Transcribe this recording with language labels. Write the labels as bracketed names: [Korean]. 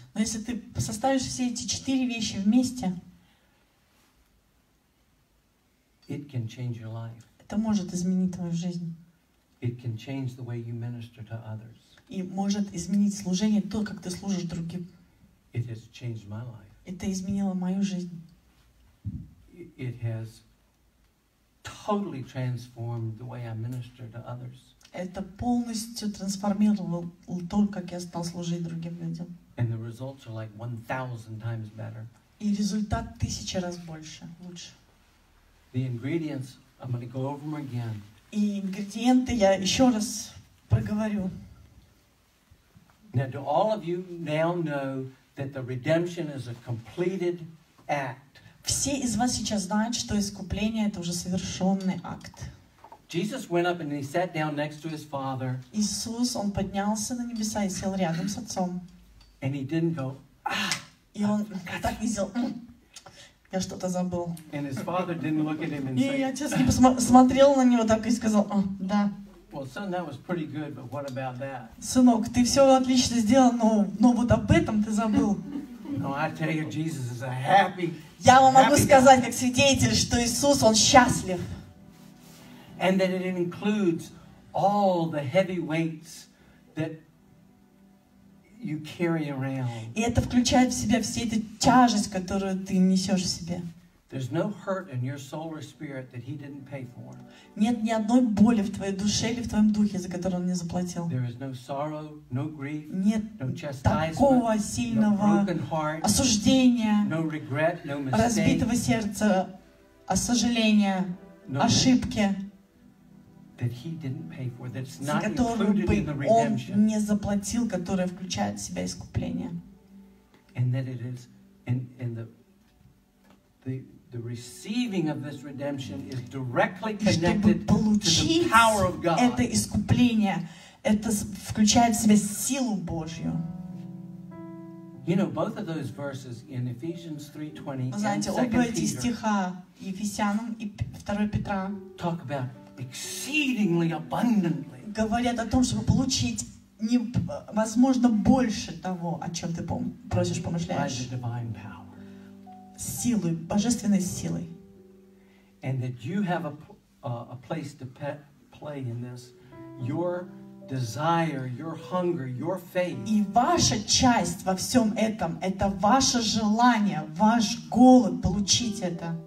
[Russian] Но если ты составишь все эти четыре вещи вместе. [English] It can change your life. [Russian] Это может изменить твою жизнь. [English] It can change the way you minister to others. [Russian] И может изменить служение то, как ты служишь другим. [English] It has changed my life. [Russian] Это изменило мою жизнь. [English] It has totally transformed the way I minister to others. [Russian] Это полностью трансформировало то, как я стал служить другим людям. [English] And the results are like 1,000 times better. [Russian] И результат 1,000 раз больше, лучше. [English] The ingredients, I'm going to go over them again. [Russian] И ингредиенты я еще раз проговорю. [English] Now, do all of you now know that the redemption is a completed act? [Russian] Все из вас сейчас знают, что искупление это уже совершенный акт. [English] Jesus went up and he sat down next to his father. [Russian] Иисус, он поднялся на небеса и сел рядом с отцом. [English] And he didn't go. [Russian] И он так не сделал. Я что-то забыл. [English] And his father didn't look at him and [Russian] и отец не посмотрел на него так и сказал, да. [English] Well, son, that was pretty good, but what about that? [Russian] Сынок, ты все отлично сделал, но вот об этом ты забыл. [English] No, I tell you, Jesus is a happy, [Russian] я вам могу сказать, как свидетель, что Иисус, он счастлив. [English] And that it includes all the heavy weights that you carry around. [Russian] И это включает в себя все эти тяжесть, которую ты несешь в себе. [English] There's no hurt in your soul or spirit that he didn't pay for. [Russian] Нет ни одной боли в твоей душе или в твоем духе, за которую он не заплатил. [English] There is no sorrow, no grief, [Russian] нет [English] no [Russian] такого сильного [English] no broken heart, [Russian] осуждения, [English] no regret, no mistake, [Russian] разбитого сердца, сожаления, no ошибки. [English] that he didn't pay for, that's not included in the redemption. [Russian] Он не заплатил, которая включает в себя искупление. [English] And that it is in the receiving of this redemption is directly connected to the power of God. [Russian] Это искупление, это включает в себя силу Божью. [English] You know, both of those verses in Ephesians 3:20 and 2 Peter talk about exceedingly abundantly. [Russian] Говорят о том, чтобы получить невозможно больше того, о чем ты просишь, помышляешь. [English] By the divine power. [Russian] Силой, божественной силой. [English] And that you have a place to play in this. Your desire, your hunger, your faith. [Russian] И ваша часть во всем этом, это ваше желание, ваш голод получить это.